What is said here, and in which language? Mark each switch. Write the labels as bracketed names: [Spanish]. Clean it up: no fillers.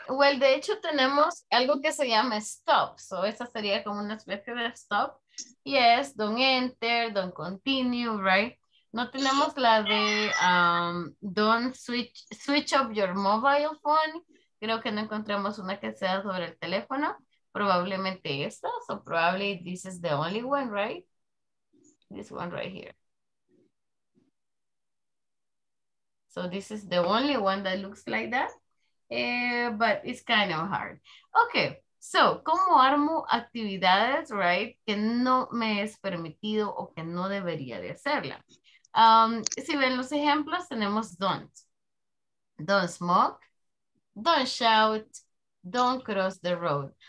[Spanish] Well, de hecho, tenemos algo que se llama stop. So, esa sería como una especie de stop. [English] Yes. Don't enter. Don't continue. Right? [Spanish] No tenemos la de [English] don't switch up your mobile phone. [Spanish] Creo que no encontramos una que sea sobre el teléfono. Probablemente esta, [English] so probably this is the only one, right? This one right here. So this is the only one that looks like that, but it's kind of hard. [Spanish] Okay, so, ¿cómo armo actividades, right? Que no me es permitido o que no debería de hacerla. Si ven los ejemplos, tenemos don't. [English] Don't smoke, don't shout, don't cross the road.